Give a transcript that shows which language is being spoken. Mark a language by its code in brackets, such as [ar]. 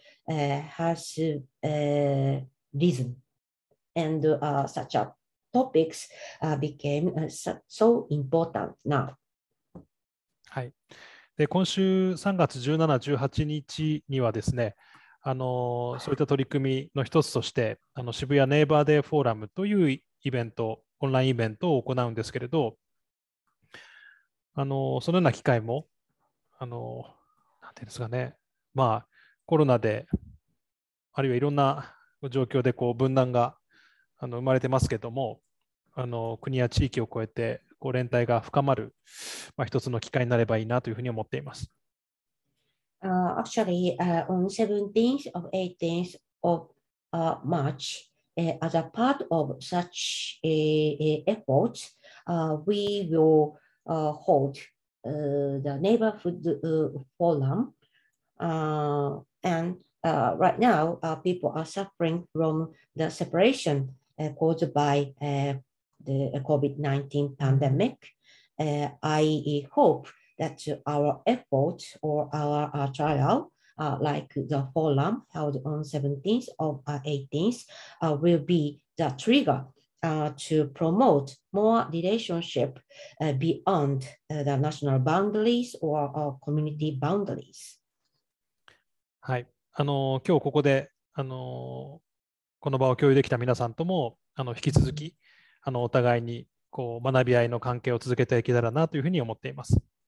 [en] Has risen, and such a topics became so important now. [ja] はい。で、今週3月17、18日にはですね、あのそういった取り組みの一つとして、あの渋谷ネイバーデーフォーラムというイベント、オンラインイベントを行うんですけれど、あのそのような機会も、あのなんていうんですかね、まあコロナであるいはいろんな状況でこう分断があの生まれてますけども、あの国や地域を超えてこう連帯が深まる、まあ、一つの機会になればいいなというふうに思っています。 [en] Actually, on 17th or 18th of March, as a part of such efforts, we will hold the Neighborhood Forum and right now, people are suffering from the separation caused by the COVID-19 pandemic. I hope that our efforts or our trial, like the forum held on 17th or 18th, will be the trigger to promote more relationship beyond the national boundaries or our community boundaries. [ja] はい、今日ここでこの場を共有できた皆さんとも引き続きお互いにこう学び合いの関係を続けていけたらなというふうに思っています。